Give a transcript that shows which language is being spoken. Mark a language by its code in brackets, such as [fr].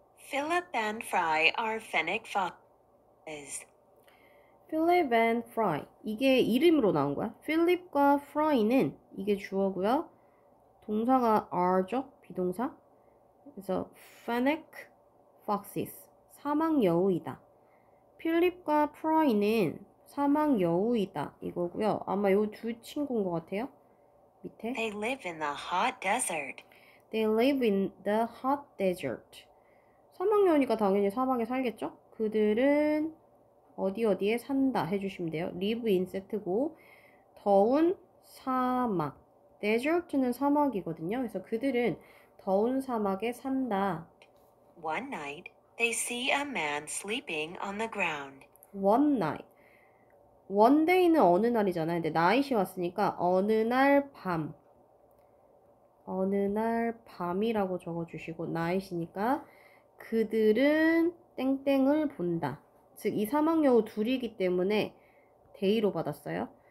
[en] Philip and Fry are fennec foxes. Philip and Fry. [ko] 이게 이름으로 나온 거야. Philip과 Fry는 이게 주어고요. 동사가 are죠? 비동사. [en] 그래서 fennec foxes. [ko] 사막 여우이다. Philip과 Fry는 사막 여우이다. 이거고요. 아마 요두 친구인 것 같아요. 밑에. [en] They live in the hot desert. They live in the hot desert. [ko] 사막 여우니까 당연히 사막에 살겠죠? 그들은 어디 어디에 산다 해주시면 돼요. Live in 세트고 더운 사막, desert는 사막이거든요. 그래서 그들은 더운 사막에 산다. [en] One night, they see a man sleeping on the ground. [ko] One night, one day는 어느 날이잖아요. 근데 night이 왔으니까 어느 날 밤, 어느 날 밤이라고 적어주시고 night이니까. 그들은 땡땡을 본다. 즉, 이 사막 여우 둘이기 때문에 데이로 받았어요.